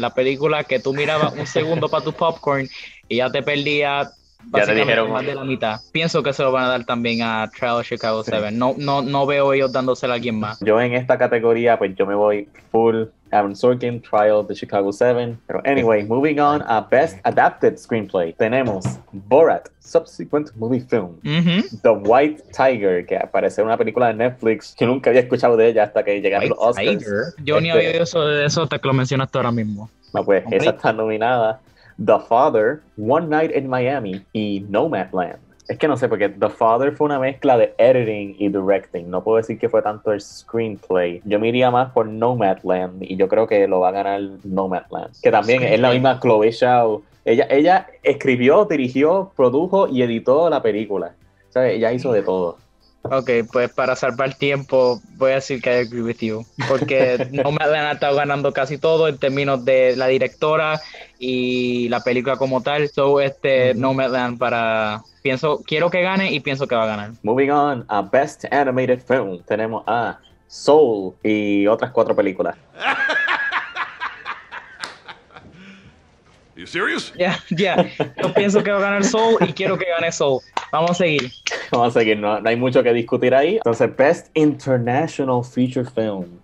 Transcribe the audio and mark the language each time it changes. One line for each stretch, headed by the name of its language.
Spanish: La película que tú mirabas un segundo para tu popcorn y ya te perdías... básicamente más de la mitad. Pienso que se lo van a dar también a Trial of Chicago 7. No veo ellos dándoselo a alguien más. Yo en esta categoría, pues yo me voy full Aaron Sorkin, Trial of the Chicago 7. Pero anyway,
English: moving on
Spanish: a Best Adapted Screenplay. Tenemos Borat, Subsequent Movie Film. Mm-hmm. The White Tiger, que aparece en una película de Netflix que nunca había escuchado de ella hasta que llegaron los Oscars. Tiger. Yo ni había oído eso de eso hasta que lo mencionaste ahora mismo. No, pues hombre. Esa está nominada. The Father, One Night in Miami y Nomadland. Es que no sé, porque The Father fue una mezcla de editing y directing. No puedo decir que fue tanto el screenplay. Yo me iría más por Nomadland y yo creo que lo va a ganar Nomadland. Que también es la misma Chloe Zhao. Ella escribió, dirigió, produjo y editó la película. O sea, ella hizo de todo. Ok, pues para salvar tiempo, voy a decir que
English: I agree with you.
Spanish: Porque Nomadland ha estado ganando casi todo en términos de la directora y la película como tal. So, Nomadland para... Pienso, quiero que gane y pienso que va a ganar.
English: Moving on a Best Animated Film.
Spanish: Tenemos a Soul y otras cuatro películas.
English: You serious? Yeah.
Spanish: Yo pienso que va a ganar Soul y quiero que gane Soul. Vamos a seguir. No hay mucho que discutir ahí. Entonces, Best International Feature Film.